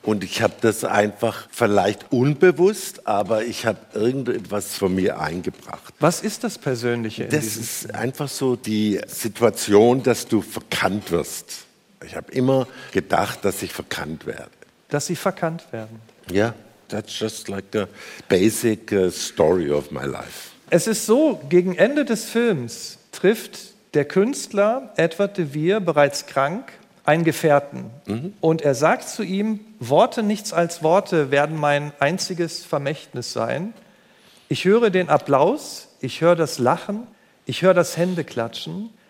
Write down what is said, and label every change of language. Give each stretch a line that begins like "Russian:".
German: Und ich habe das einfach vielleicht unbewusst, aber ich habe irgendetwas von mir eingebracht. Was ist das Persönliche? Das ist einfach so die Situation, dass du verkannt wirst. Ich habe immer gedacht, dass ich verkannt werde. Dass sie verkannt werden. Ja.
English: that's just like the basic story of my life.
German: Es ist so, gegen Ende des Films trifft der Künstler Edward de Vere, bereits krank, einen Gefährten. Mhm. Und er sagt zu ihm, Worte nichts als Worte werden mein einziges Vermächtnis sein. Ich höre den Applaus, ich höre das Lachen, ich höre das Händeklatschen.